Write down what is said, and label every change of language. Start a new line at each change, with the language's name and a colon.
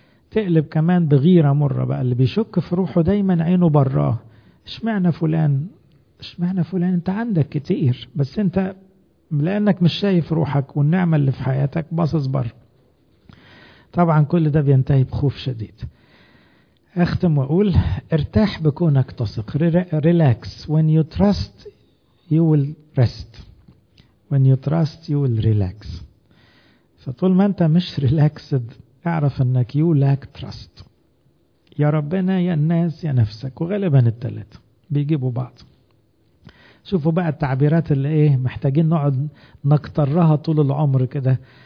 Arabic: تقلب كمان بغيرة مرة بقى، اللي بيشك في روحه دايما عينه براه، اشمعنى فلان، اشمعنى فلان، انت عندك كتير بس انت لانك مش شايف روحك والنعمة اللي في حياتك باصص بر. طبعا كل ده بينتهي بخوف شديد. اختم واقول ارتاح بكونك تثق.
English: Relax, when you trust you will rest، when you trust you will relax.
Arabic: فطول ما انت مش ريلاكسد اعرف انك
English: you lack trust.
Arabic: يا ربنا يا الناس يا نفسك، وغالبا التلاتة بيجيبوا بعض. شوفوا بقى التعبيرات اللي ايه محتاجين نقعد نكترها طول العمر كده.